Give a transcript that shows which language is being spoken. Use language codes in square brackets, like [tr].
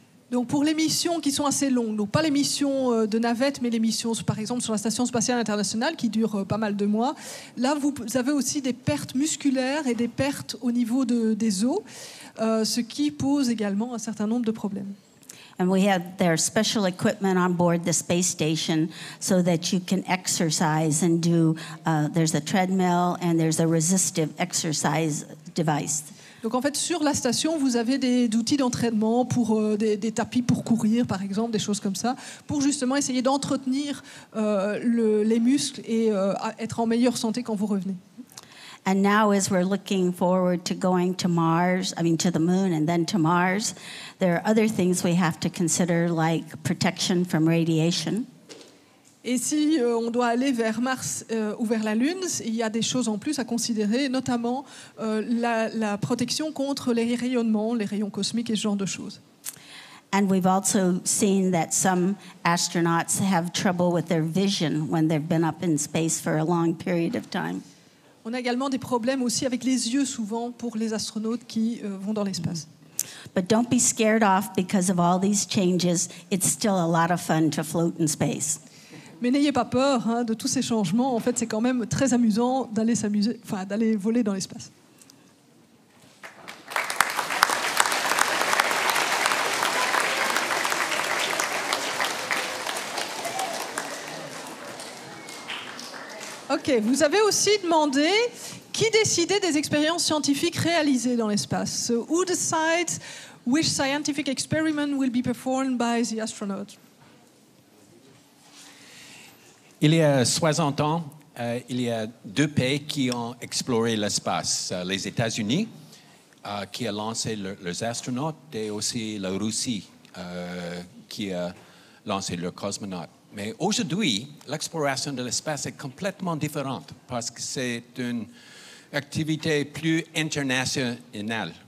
[fr] Donc pour les missions qui sont assez longues, donc pas les missions de navette, mais les missions, par exemple, sur la Station Spatiale Internationale, qui durent pas mal de mois, là, vous avez aussi des pertes musculaires et des pertes au niveau des os, ce qui pose également un certain nombre de problèmes. [en] And we have their special equipment on board the space station so that you can exercise and do, there's a treadmill and there's a resistive exercise device. [fr] Donc en fait, sur la station, vous avez des outils d'entraînement pour des tapis pour courir, par exemple, des choses comme ça, pour justement essayer d'entretenir les muscles et être en meilleure santé quand vous revenez. [en] And now, as we're looking forward to going to Mars, I mean to the Moon and then to Mars, there are other things we have to consider, like protection from radiation. [fr] Et si on doit aller vers Mars ou vers la Lune, il y a des choses en plus à considérer, notamment la protection contre les rayonnements, les rayons cosmiques et ce genre de choses. [en] And we've also seen that some astronauts have trouble with their vision when they've been up in space for a long period of time. [fr] On a également des problèmes aussi avec les yeux souvent pour les astronautes qui vont dans l'espace. [en] But don't be scared off because of all these changes. It's still a lot of fun to float in space. [fr] Mais n'ayez pas peur hein, de tous ces changements. En fait, c'est quand même très amusant d'aller voler dans l'espace. OK, vous avez aussi demandé qui décidait des expériences scientifiques réalisées dans l'espace. [en] So, who decides which scientific experiment will be performed by the astronauts? [fr] Il y a 60 ans, il y a deux pays qui ont exploré l'espace. Les États-Unis, qui a lancé leurs astronautes, et aussi la Russie, qui a lancé leurs cosmonautes. Mais aujourd'hui, l'exploration de l'espace est complètement différente parce que c'est une activité plus internationale.